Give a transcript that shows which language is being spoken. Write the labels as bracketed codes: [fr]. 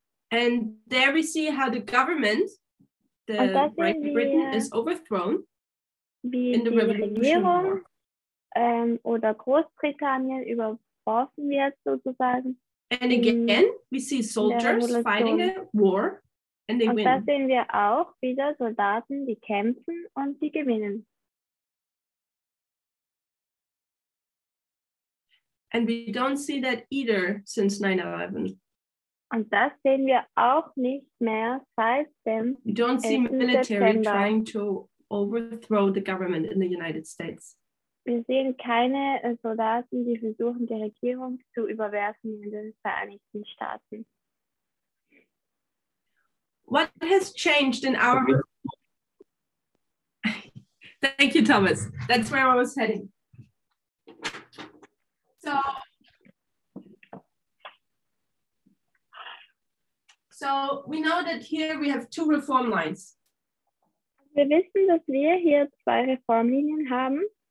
[en] And there we see how the government, the Great Britain, is overthrown [de] wie [en] in the [de] Regierung oder Großbritannien überworfen wird sozusagen. [en] And again, we see soldiers fighting a war, and they win. [de] Und da sehen wir auch wieder Soldaten, die kämpfen und die gewinnen. [en] And we don't see that either since 9/11. [de] Und das sehen wir auch nicht mehr seit dem. [en] You don't see military trying to overthrow the government in the United States. [de] Wir sehen keine Soldaten, die versuchen, die Regierung zu überwerfen in den Vereinigten Staaten. [en] What has changed in our... Thank you, Thomas. That's where I was heading. So we know that here we have two reform lines. [de] Wir wissen, dass wir hier zwei Reformlinien haben.